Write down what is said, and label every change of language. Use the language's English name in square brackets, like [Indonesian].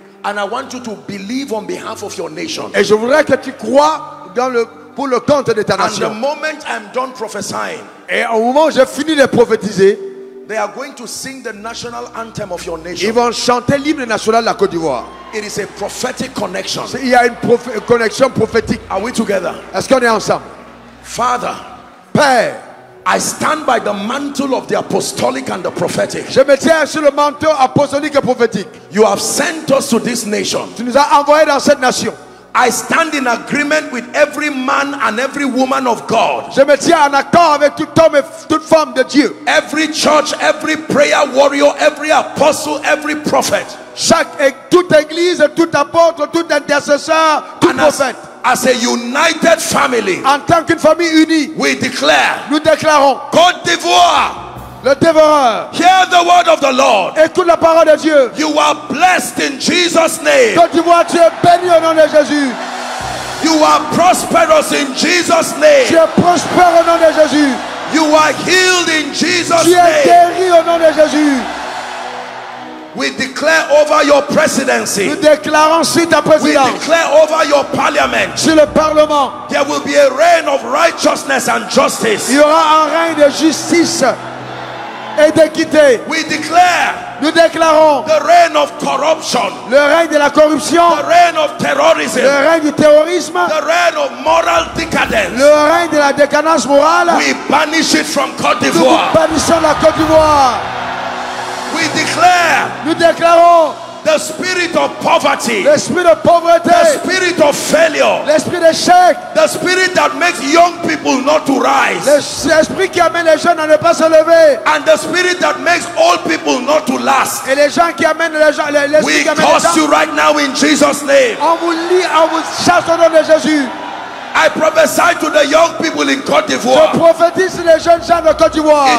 [English] And I want you to believe on behalf of your nation. [French] Et je voudrais que tu crois dans le pour le compte de ta nation. [English] And the moment I'm done prophesying. [French] Et au moment où j'ai fini de prophétiser, [English] they are going to sing the national anthem of your nation. [French] Ils vont chanter l'hymne national de la Côte d'Ivoire. [English] It is a prophetic connection. [French] Il y a une connexion prophétique. [English] Are we together? [French] Est-ce qu'on est ensemble? [English] Father, [French] Père, [English] I stand by the mantle of the apostolic and the prophetic. [French] Je me tiens sur le manteau apostolique et prophétique. [English] You have sent us to this nation. [French] Tu nous as envoyé dans cette nation. [English] I stand in agreement with every man and every woman of God. [French] Je me tiens en accord avec tout homme et toute femme de Dieu. [English] Every church, every prayer warrior, every apostle, every prophet. [French] Chaque et toute église et tout apôtre, tout intercesseur, tout prophète. [English] As a united family. [French] En tant qu'une famille unie, [English] we declare. [French] Nous déclarons. [English] Côte d'Ivoire. [French] Le dévoreur. [English] Hear the word of the Lord. [French] Écoute la parole de Dieu. [English] You are blessed in Jesus' name. [French] Côte d'Ivoire, tu es béni au nom de Jésus. [English] You are prosperous in Jesus' name. [French] Tu es prospère au nom de Jésus. [English] You are healed in Jesus' name. [French] Tu es guéri au nom de Jésus. [English] We declare over your presidency. [French] Nous déclarons sur ta présidence. [English] We declare over your parliament. [French] Sur le parlement. [English] There will be a reign of righteousness and justice. [French] Il y aura un règne de justice et d'équité. [English] We declare. [French] Nous déclarons. [English] The reign of corruption. [French] Le règne de la corruption. [English] The reign of terrorism. [French] Le règne du terrorisme. [English] The reign of moral decadence. [French] Le règne de la décadence morale. [English] We banish it from Côte d'Ivoire. [French] Nous bannissons la Côte d'Ivoire. [English] We declare. [French] Nous déclarons. [English] The spirit of poverty. [French] L'esprit de pauvreté. [English] The spirit of failure. [French] L'esprit d'échec. [English] The spirit that makes young people not to rise. [French] L'esprit qui amène les jeunes à ne pas se lever. [English] And the spirit that makes old people not to last. [French] Et les gens qui amènent les gens. L'esprit [English] we [French] qui amène [English] curse [French] les [English] you right now in Jesus' name. [French] On vous lit, on vous chasse au nom de Jésus. [English] I prophesy to the young people in Côte d'Ivoire. [French] Je prophétise les jeunes gens de Côte d'Ivoire.